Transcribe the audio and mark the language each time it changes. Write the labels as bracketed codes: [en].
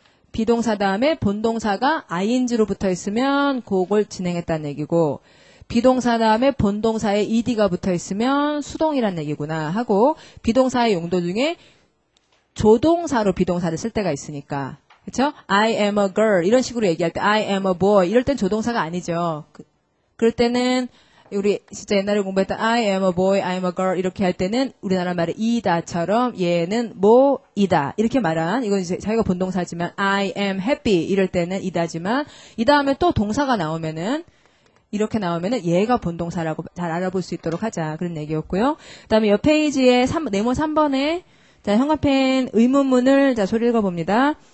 [ko] 비동사 다음에 본동사가 ing로 붙어 있으면 그걸 진행했다는 얘기고 비동사 다음에 본동사에 ed가 붙어 있으면 수동이라는 얘기구나 하고 비동사의 용도 중에 조동사로 비동사를 쓸 때가 있으니까. 그쵸? [en] I am a girl. [ko] 이런 식으로 얘기할 때, [en] I am a boy. [ko] 이럴 땐 조동사가 아니죠. 그럴 때는, 우리 진짜 옛날에 공부했던 [en] I am a boy, I am a girl. [ko] 이렇게 할 때는, 우리나라 말에 이다처럼, 얘는 뭐이다. 이렇게 말한, 이건 이제 자기가 본동사지만, [en] I am happy. [ko] 이럴 때는 이다지만, 이 다음에 또 동사가 나오면은, 이렇게 나오면은 얘가 본동사라고 잘 알아볼 수 있도록 하자. 그런 얘기였고요. 그 다음에 옆 페이지에 네모 3번에, 자, 형광펜 의문문을, 자, 소리 읽어봅니다.